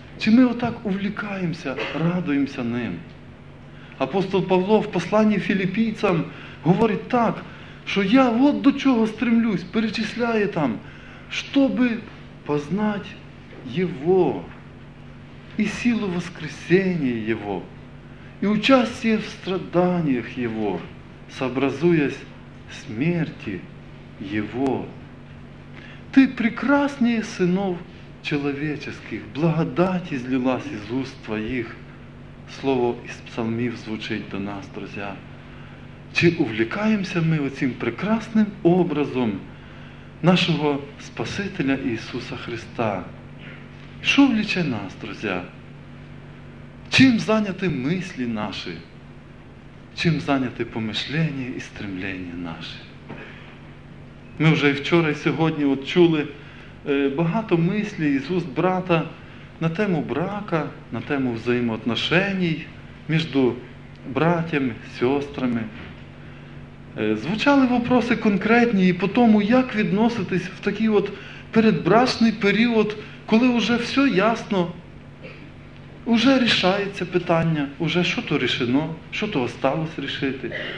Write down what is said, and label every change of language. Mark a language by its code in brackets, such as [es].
[uk] Чи ми отак увлікаємося, радуємося ним? Апостол Павло в посланні філіппійцям говорить так, що я от до чого стремлюсь, перечисляє там, щоби познати Його і силу воскресіння Його і участь в страданнях Його, сообразуясь смерті Його. [ru] Ти прекрасніє синов человеческих, благодать излилась из уст твоих. [uk] Слово из псалмів звучить до нас, [ru] друзья. Чи увлекаемся мы этим прекрасным образом нашего Спасителя Иисуса Христа? Что увлечет нас, друзья? Чем заняты мысли наши? Чем заняты помышления и стремления наши? Мы уже вчера [uk] и сьогодні чули багато мислей з уст брата на тему брака, на тему взаємоотношеній між братями, сестрами. Звучали вопроси конкретні і по тому, як відноситись в такий от передбрачний період, коли вже все ясно, вже рішається питання, вже що-то рішено, що-то осталось рішити.